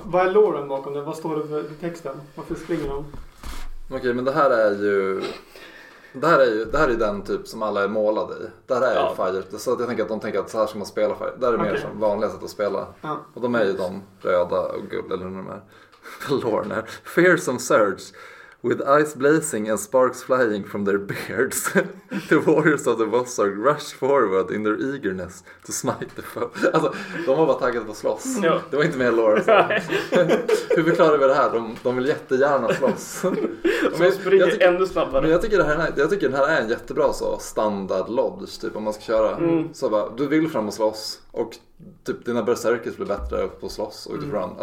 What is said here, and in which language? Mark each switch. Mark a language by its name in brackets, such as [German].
[Swedish] Vad är loren bakom det? Vad står det för texten? Varför springer de? Okej, men det här är ju... Det här är ju den typ som alla är målade i. Det här är ju Fire. Så jag tänker att de tänker att så här ska man spela Fire. Det är mer som vanliga sätt att spela. Ja. Och de är ju de röda och gula eller de här. [English] Lorna, fearsome surge with eyes blazing and sparks flying from their beards. The warriors of the Vossarg rush forward in their eagerness to smite the foe. [Swedish] Alltså, de var bara taggade på slåss. Ja. Det var inte mer lore. Hur förklarar vi det här? De vill jättegärna slåss. De springer ännu snabbare. Men jag tycker den här är en jättebra så standard lodge typ om man ska köra. Mm. Så bara, du vill fram och slåss och typ dina berserkers blir bättre på slåss och utifrån. Mm.